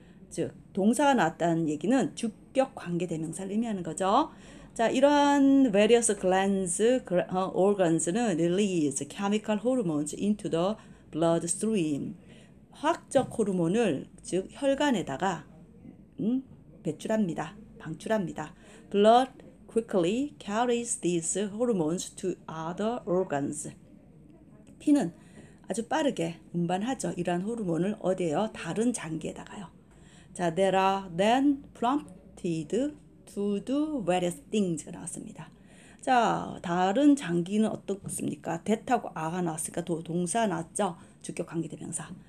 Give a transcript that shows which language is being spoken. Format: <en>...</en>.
<ko>즉, 동사가 나왔다는 얘기는 주격 관계대명사를 의미하는 거죠. 자, 이러한</ko> <en>various glands, organs는 release chemical hormones into the bloodstream.</en> <ko>화학적 호르몬을, 즉, 혈관에다가 배출합니다. 방출합니다.</ko> <en>Blood quickly carries these hormones to other organs.</en> <ko>피는 아주 빠르게 운반하죠. 이러한 호르몬을 어디에요? 다른 장기에다가요. 자,</ko> <en>there are then prompted to do various things가</en> <ko>나왔습니다. 자, 다른 장기는 어떻습니까? that하고 are가 나왔으니까 동사 나왔죠. 주격 관계대명사.</ko>